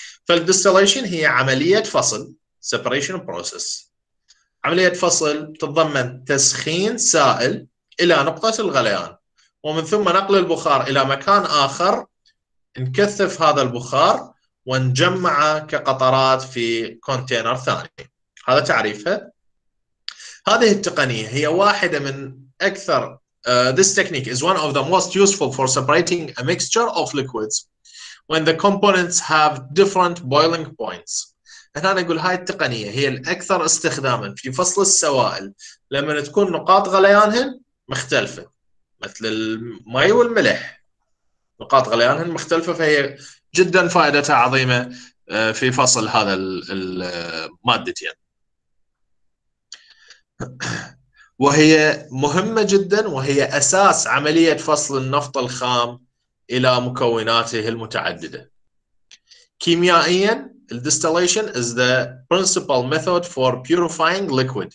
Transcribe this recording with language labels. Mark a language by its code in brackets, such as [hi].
[ar] فالديستيليشن هي عملية فصل، separation process، عملية فصل تتضمن تسخين سائل إلى نقطة الغليان، ومن ثم نقل البخار إلى مكان آخر، نكثف هذا البخار ونجمع كقطرات في كونتينر ثاني. هذا تعريفها. [en] هذه التقنية هي واحدة من أكثر this technique is one of the most useful for separating a mixture of liquids when the components have different boiling points. [ar] هنا نقول هاي التقنية هي الأكثر استخداما في فصل السوائل لما تكون نقاط غليانهن مختلفة، مثل الماء والملح نقاط غليانهن مختلفة، فهي جدا فائدتها عظيمة في فصل هذا المادتين، وهي مهمة جدا، وهي أساس عملية فصل النفط الخام إلى مكوناته المتعددة. [en] كيميائيا الديستيليشن is the principal method for purifying liquid.